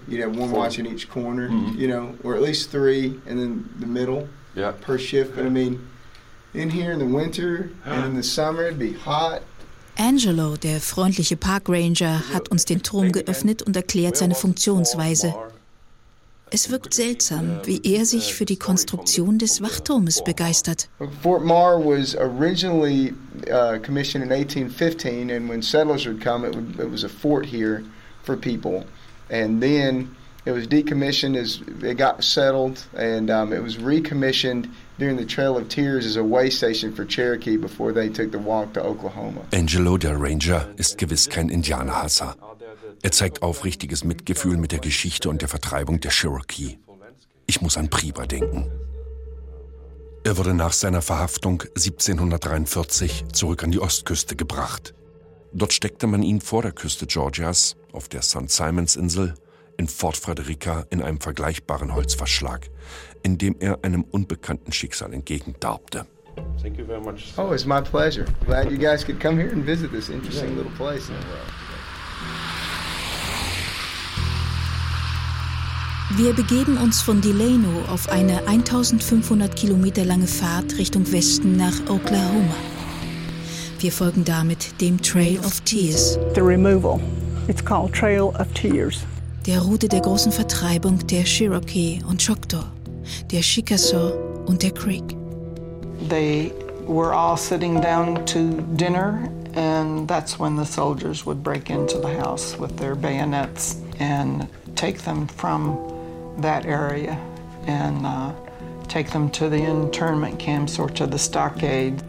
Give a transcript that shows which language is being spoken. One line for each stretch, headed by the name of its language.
English: You'd have one watching each corner, you know, or at least three, and then the middle per shift. But, I mean, in here in the winter and in the summer, it'd be hot.
German: Angelo, der freundliche Park Ranger, hat uns den Turm geöffnet und erklärt seine Funktionsweise. Es wirkt seltsam, wie er sich für die Konstruktion des Wachturmes begeistert.
English: Fort Mar was originally commissioned in 1815, and when settlers would come, it was a fort here for people. And then it was decommissioned as it got settled, and it was recommissioned during the Trail of Tears is a way station for Cherokee before they took the walk to Oklahoma.
German: Angelo, der Ranger, ist gewiss kein Indianerhasser. Er zeigt aufrichtiges Mitgefühl mit der Geschichte und der Vertreibung der Cherokee. Ich muss an Priber denken. Er wurde nach seiner Verhaftung 1743 zurück an die Ostküste gebracht. Dort steckte man ihn vor der Küste Georgias, auf der St. Simons-Insel, in Fort Frederica in einem vergleichbaren Holzverschlag, in dem er einem unbekannten Schicksal entgegendarbte.
English: Thank you very much. Oh, it's my pleasure. Glad you guys could come here and visit this interesting little place.
German: Wir begeben uns von Delano auf eine 1500 Kilometer lange Fahrt Richtung Westen nach Oklahoma. Wir folgen damit dem Trail of Tears.
English: The removal. It's called Trail of Tears.
German: Der Route der großen Vertreibung der Cherokee und Choctaw, der Chickasaw und der Creek.
English: They were all sitting down to dinner, and that's when the soldiers would break into the house with their bayonets and take them from that area and take them to the internment camps or to the stockade.